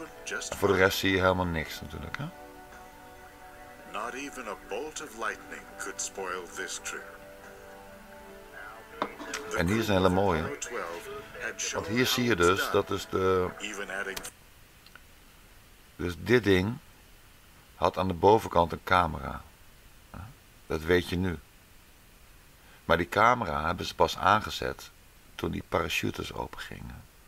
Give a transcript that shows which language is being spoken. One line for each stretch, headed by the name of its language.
Dutch: En voor de rest zie je helemaal niks natuurlijk, hè?
English: Not even a bolt of lightning could spoil this trip.
Dutch: En hier is een hele mooie. Want hier zie je dus, dat is de... Dus dit ding had aan de bovenkant een camera. Dat weet je nu. Maar die camera hebben ze pas aangezet toen die parachutes opengingen.